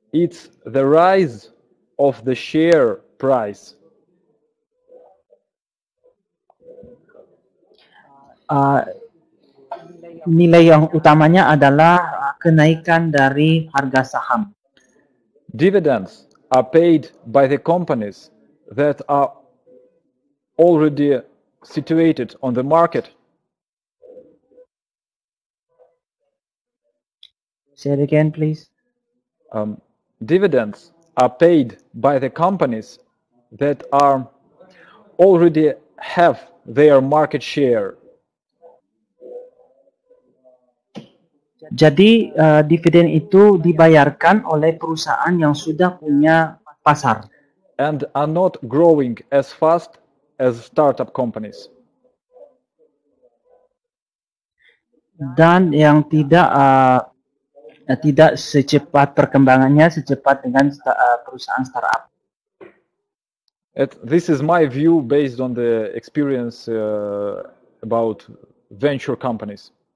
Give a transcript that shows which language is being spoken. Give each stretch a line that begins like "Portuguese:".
English: It's the rise of the share price.
Indonesian: Nilai yang utamanya adalah kenaikan dari harga saham.
English: Dividends are paid by the companies that are already situated on the market. Say it again, please. Dividends are paid by the companies that are already have their market share.
Indonesian: Jadi dividen itu dibayarkan oleh perusahaan yang sudah punya pasar.
English: And are not growing as fast as startup companies.
Indonesian: Dan yang tidak tidak secepat perkembangannya secepat dengan perusahaan startup.
English: This is my view based on the experience about venture companies.